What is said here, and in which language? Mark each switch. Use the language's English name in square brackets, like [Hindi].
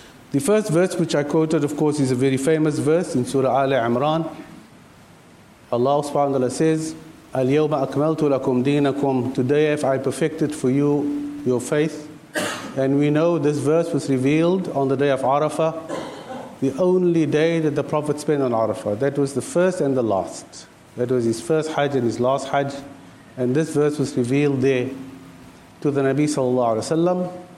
[English] The first verse which I quoted, of course, is a very famous verse in Surah Ali Imran. Allah subhanahu wa ta'ala says, [Arabic] اليوم أكملت لكم دينكم. [English] Today if I perfected for you your faith. And we know this verse was revealed on the day of Arafah, the only day that the Prophet spent on Arafah. That was the first and the last. That was his first Hajj and his last Hajj. And this verse was revealed there to the Nabi sallallahu alaihi wasallam.